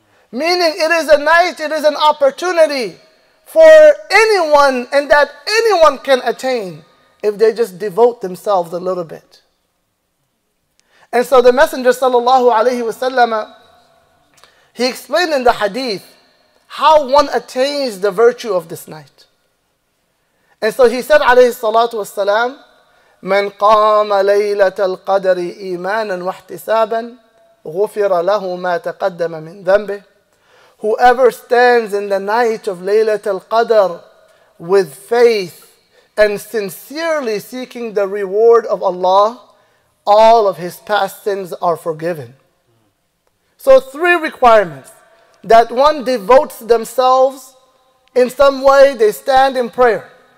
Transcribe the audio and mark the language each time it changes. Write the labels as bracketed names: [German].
[English] Meaning it is a night, it is an opportunity for anyone, and that anyone can attain if they just devote themselves a little bit. And so the Messenger sallallahu alayhi wasallam, he explained in the hadith how one attains the virtue of this night. And so he said [Arabic] alayhi salatu wasalam, من قام ليلة القدر إيمانا واحتسابا غفر له ما تقدم من ذنبه. [English] Whoever stands in the night of Laylatul Qadr with faith and sincerely seeking the reward of Allah, all of his past sins are forgiven. So three requirements: that one devotes themselves in some way, they stand in prayer.